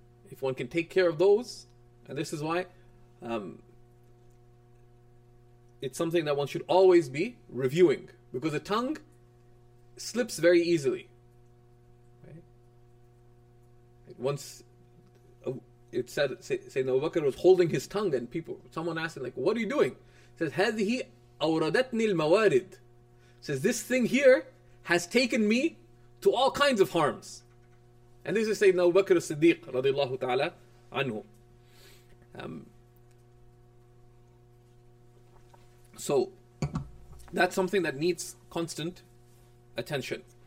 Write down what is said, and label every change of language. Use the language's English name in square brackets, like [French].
[English] If one can take care of those, and this is why it's something that one should always be reviewing, because the tongue slips very easily. Right? Once it said, Sayyidina Abu Bakr was holding his tongue, and someone asked him, like, what are you doing? He says, [Arabic] هذه أوردتني الموارد. [English] Says, this thing here has taken me to all kinds of harms. And this is Sayyidina Abu Bakr as-Siddiq, radiallahu ta'ala, anhu. So, that's something that needs constant attention.